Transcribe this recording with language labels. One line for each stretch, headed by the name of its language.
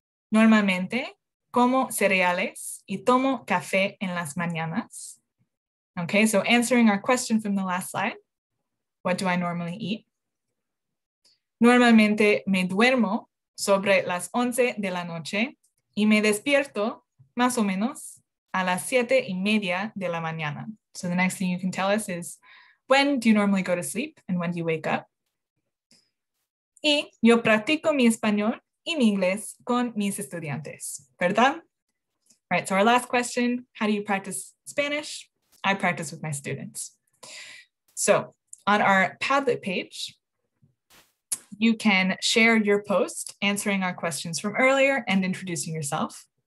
Spanish: Normalmente como cereales y tomo café en las mañanas.
English: Okay, so answering our question from the last slide, what do I normally eat?
Spanish: Normalmente me duermo sobre las 11 de la noche y me despierto más o menos a las 7 y media de la mañana.
English: So the next thing you can tell us is, when do you normally go to sleep and when do you wake up?
Spanish: Y yo practico mi español y mi inglés con mis estudiantes, ¿verdad?
English: All right, so our last question, how do you practice Spanish? I practice with my students. So on our Padlet page, you can share your post answering our questions from earlier and introducing yourself.